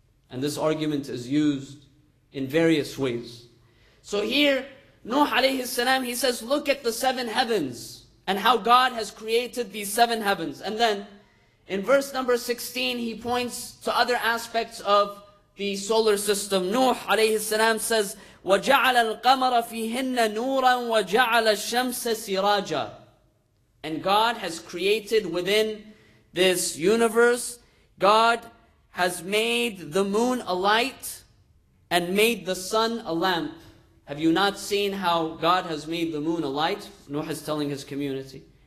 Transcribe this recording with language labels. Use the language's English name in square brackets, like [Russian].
[English] And this argument is used in various ways. So here, Nuh alayhi salam, he says, look at the seven heavens and how God has created these seven heavens. And then in verse number 16, he points to other aspects of the solar system. Nuh alayhi salam says, [Arabic] وَجَعَلَ الْقَمَرَ فِيهِنَّ نُورًا وَجَعَلَ الشَّمْسَ سِرَاجًا. [English] And God has created within this universe, God has made the moon a light and made the sun a lamp. Have you not seen how God has made the moon a light? Nuh is telling his community.